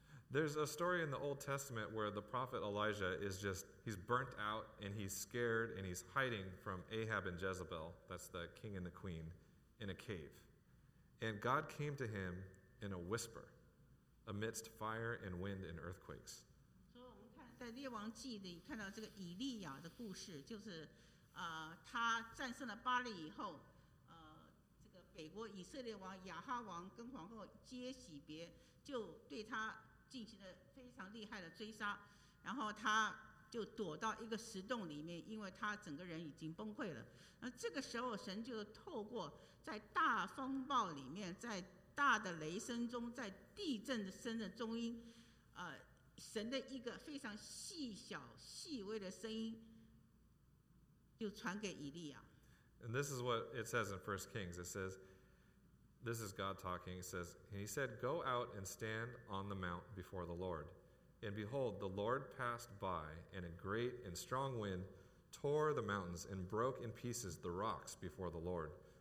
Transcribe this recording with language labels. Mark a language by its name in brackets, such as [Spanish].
[English] There's a story in the Old Testament where the prophet Elijah is just, he's burnt out and he's scared and he's hiding from Ahab and Jezebel, that's the king and the queen, in a cave. And God came to him in a whisper amidst fire and wind and earthquakes. [Chinese] So, 我们看在列王记里看到这个以利亚的故事， 就是 他战胜了巴利以后，这个北国以色列王亚哈王跟皇后接喜别，就对他进行了非常厉害的追杀，然后他就躲到一个石洞里面，因为他整个人已经崩溃了。那这个时候，神就透过在大风暴里面，在大的雷声中，在地震的声的中音，神的一个非常细小细微的声音。 [English] And this is what it says in 1 Kings. It says, this is God talking. It says, and he said, go out and stand on the mount before the Lord. And behold, the Lord passed by, and a great and strong wind tore the mountains and broke in pieces the rocks before the Lord.